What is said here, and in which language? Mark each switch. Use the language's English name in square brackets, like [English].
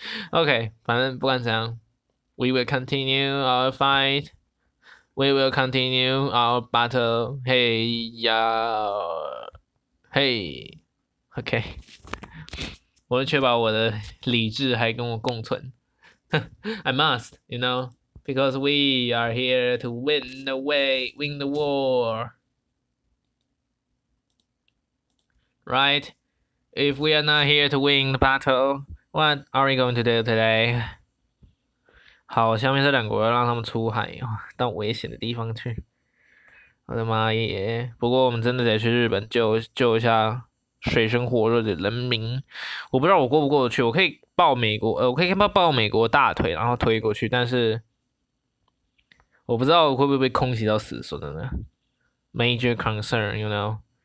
[English] OK， [Chinese] 反正不管怎样 [English] ，We will continue our fight. We will continue our battle. Hey ya, hey. [Chinese] OK， 我会确保我的理智还跟我共存。 [English] I must, you know, because we are here to win the war. Right? If we are not here to win the battle, what are we going to do today? [Chinese] 好，下面这两国要让他们出海啊，到危险的地方去。我的妈耶！不过我们真的得去日本救一下水深火热的人民。我不知道我过不过得去，我可以。抱美国，我可以抱美国大腿，然后推过去，但是我不知道会不会被空袭到死，说真的 ， [English] major concern， you know。